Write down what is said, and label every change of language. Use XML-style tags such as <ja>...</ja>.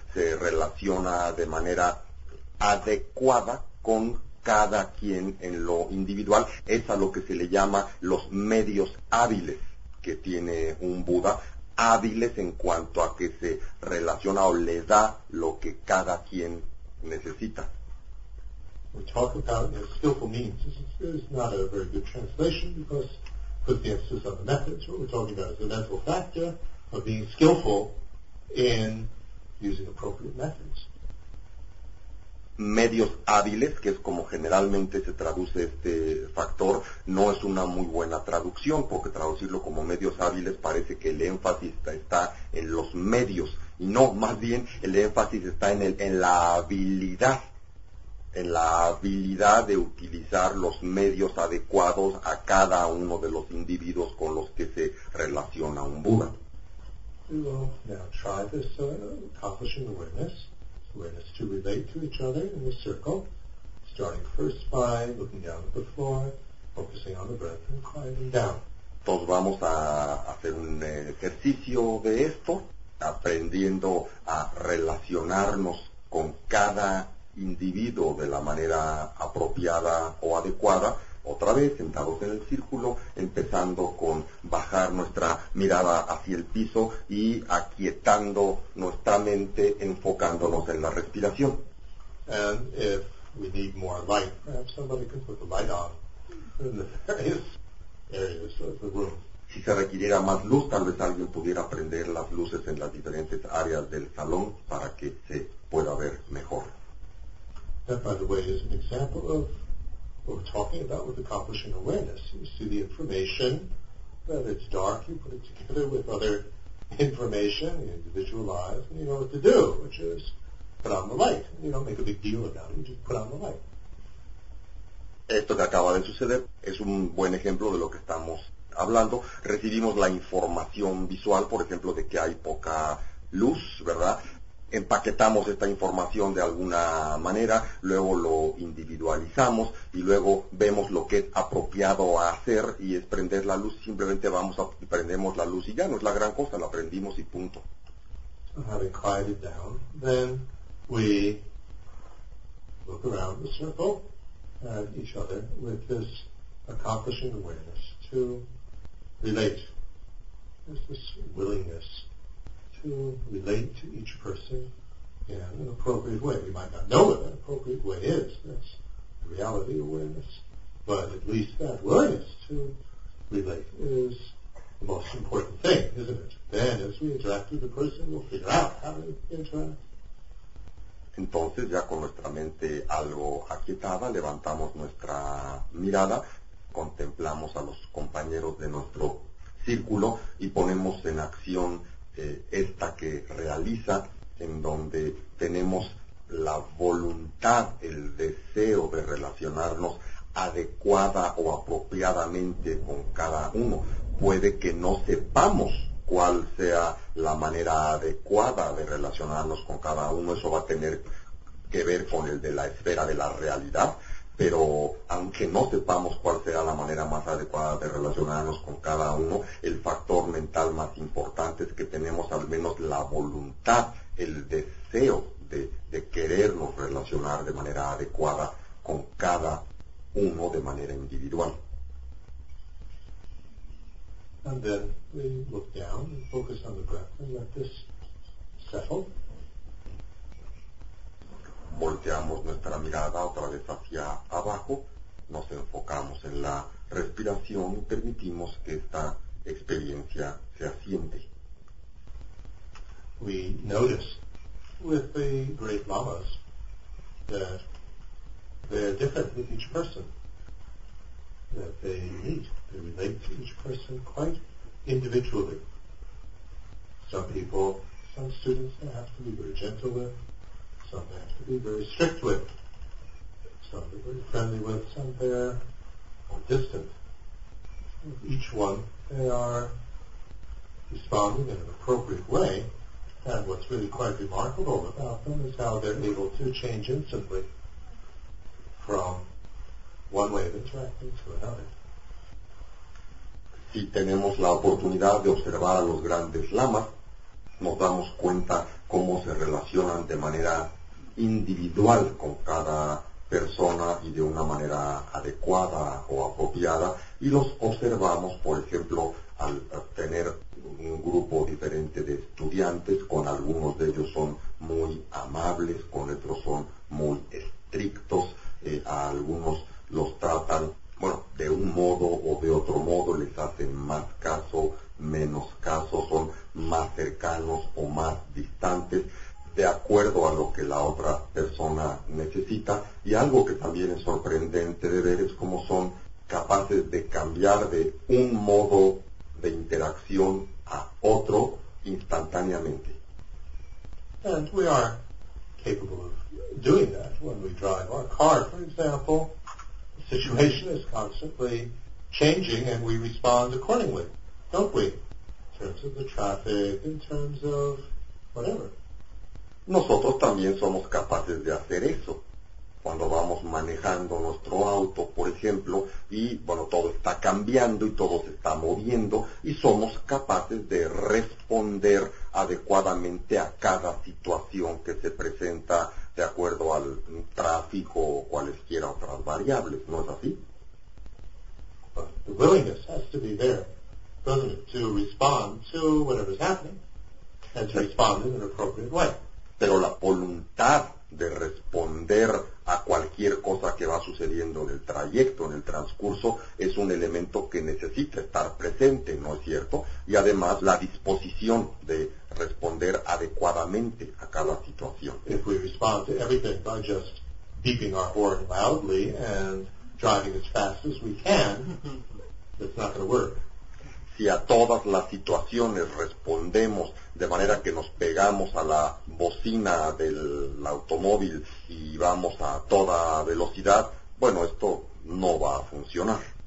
<es>Se relaciona de manera adecuada con cada quien en lo individual. Es a lo que se le llama los medios hábiles que tiene un Buda, hábiles en cuanto a que se relaciona o le da lo que cada quien necesita.</es> <en>We talk about skillful means. This is not a very good translation because put the emphasis on the methods. What we're talking about is the mental factor of being skillful in using appropriate methods.</en> <es>Medios hábiles, que es como generalmente se traduce este factor, no es una muy buena traducción, porque traducirlo como medios hábiles parece que el énfasis está en los medios, y no, más bien el énfasis está en la habilidad de utilizar los medios adecuados a cada uno de los individuos con los que se relaciona un Buda.</es> <en>We will now try this accomplishing awareness. Awareness to relate to each other in a circle, starting first by looking down at the floor, focusing on the breath and quieting down.</en> <es>Entonces vamos a hacer un ejercicio de esto, aprendiendo a relacionarnos con cada individuo de la manera apropiada o adecuada, otra vez sentados en el círculo, empezando con bajar nuestra mirada hacia el piso y aquietando nuestra mente, enfocándonos en la respiración.</es> <en>And if we need more light, perhaps somebody can put the light on in the various areas of the room.</en> <es>Si se requiriera más luz, tal vez alguien pudiera prender las luces en las diferentes áreas del salón para que se pueda ver mejor.</es> <en>That, by the way, is an example of what we're talking about with accomplishing awareness. You see the information, whether it's dark, you put it together with other information, you individualize, and you know what to do, which is put on the light. You don't make a big deal about it, you just put on the light.</en> <es>Esto que acaba de suceder es un buen ejemplo de lo que estamos hablando. Recibimos la información visual, por ejemplo, de que hay poca luz, ¿verdad? Empaquetamos esta información de alguna manera, luego lo individualizamos y luego vemos lo que es apropiado a hacer y es prender la luz. Simplemente vamos a prendemos la luz y ya no es la gran cosa, la prendimos y punto.</es> <en>Having quieted down, then we look around the circle at each other with this accomplishing awareness to relate. There's this willingness to relate to each person in an appropriate way. We might not know what an appropriate way is, that's reality awareness, but at least that willingness to relate is the most important thing, isn't it? Then as we interact with the person, we'll figure out how to interact.</en> <es>Entonces, ya con nuestra mente algo aquietada, levantamos nuestra mirada, contemplamos a los compañeros de nuestro círculo y ponemos en acción esta que realiza, en donde tenemos la voluntad, el deseo de relacionarnos adecuada o apropiadamente con cada uno. Puede que no sepamos cuál sea la manera adecuada de relacionarnos con cada uno, eso va a tener que ver con el de la esfera de la realidad, pero aunque no sepamos cuál sea la manera más adecuada de relacionarnos con cada uno, el factor mental más importante es que tenemos al menos la voluntad, el deseo de querernos relacionar de manera adecuada con cada uno de manera individual.</es> <en>And then we look down and focus on the breath and let this settle.</en> <es>Volteamos nuestra mirada otra vez hacia abajo, nos enfocamos en la respiración y permitimos que esta experiencia se asiente.</es> <en>We notice with the great lamas that they're different with each person, that they meet, they relate to each person quite individually. Some people, some students they have to be very gentle with, some they have to be very strict with, some they're very friendly with, some they're more distant. With each one, they are responding in an appropriate way, and what's really quite remarkable about them is how they're able to change instantly from one way of interacting to another.</en> <es>Si tenemos la oportunidad de observar a los grandes lamas, nos damos cuenta cómo se relacionan de manera individual con cada persona y de una manera adecuada o apropiada, y los observamos, por ejemplo, al tener un grupo diferente de estudiantes, con algunos de ellos son muy amables, con otros son muy estrictos, a algunos los tratan, bueno, de un modo o de otro modo, les hacen más caso, menos caso, son más cercanos o más distantes, de acuerdo a lo que la otra persona necesita. Y algo que también es sorprendente de ver es cómo son capaces de cambiar de un modo de interacción a otro instantáneamente.</es> <en>And we are capable of doing that when we drive our car, for example. The situation is constantly changing and we respond accordingly, don't we? In terms of the traffic, in terms of whatever.</en> <es>Nosotros también somos capaces de hacer eso. Cuando vamos manejando nuestro auto, por ejemplo, y bueno, todo está cambiando y todo se está moviendo, y somos capaces de responder adecuadamente a cada situación que se presenta de acuerdo al tráfico o cualesquiera otras variables, ¿no es así?</es> <en>But the willingness has to be there, doesn't it, to respond to whatever is happening, and to respond in an appropriate way.</en> <es>Pero la voluntad de responder a cualquier cosa que va sucediendo en el trayecto, en el transcurso, es un elemento que necesita estar presente, ¿no es cierto? Y además la disposición de responder adecuadamente a cada situación.</es> <en>If we respond to everything by just beeping our horn loudly and driving as fast as we can, it's not going to work.</en> <es>Si a todas las situaciones respondemos de manera que nos pegamos a la bocina del automóvil y vamos a toda velocidad, bueno, esto no va a funcionar.</es>